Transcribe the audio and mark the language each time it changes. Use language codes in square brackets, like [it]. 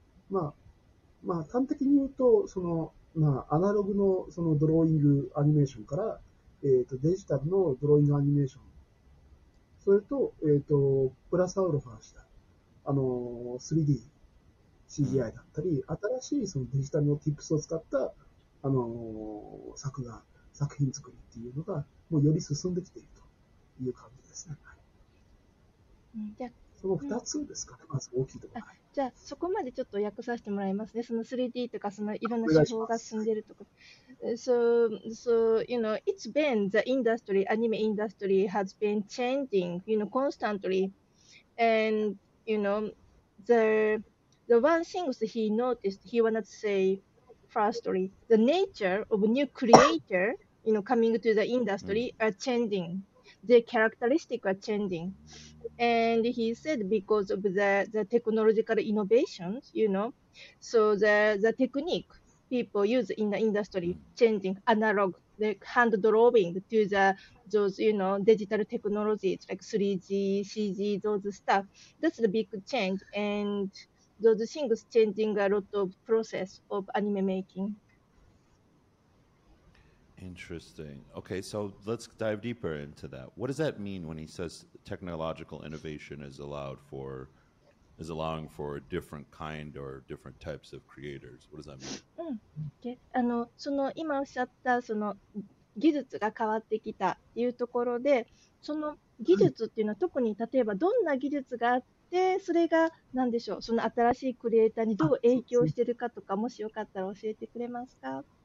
[ja] まあ、まあ、端的に言うと、その、まあ、アナログのそのドローイングアニメーションから、デジタルのドローイングアニメーション、それと、プラスアルファした、3D、CGI だったり、新しいそのデジタルのティップスを使った、作品作りっていうのが、もうより進んできているという感じですね。じゃその2つですかね、まず大きいところ。じゃあ、そこまでちょっと訳させてもらいますね。その 3D とか、そのいろんな手法が進んでいるとか。 [en] So, you know, it's been the industry, anime industry has been changing, you know, constantly. And, you know, the one thing that he noticed, he wanted to say firstly, the nature of new creator, you know, coming to the industry are changing. The characteristics are changing. And he said because of the technological innovations, you know, so the technique,people use in the industry, changing analog, the hand drawing to those, you know, digital technologies like 3G, CG, those stuff. That's the big change. And those things changing a lot of process of anime making. Interesting. Okay, so let's dive deeper into that. What does that mean when he says technological innovation is allowing for a different kind or different types of creators? What does that mean? [ja] あのその今おっしゃったその技術が変わってきたっていうところでその技術っていうのは特に例えばどんな技術があってそれが何でしょうその新しいクリエイターにどう影響してるかとかもしよかったら教えてくれますか？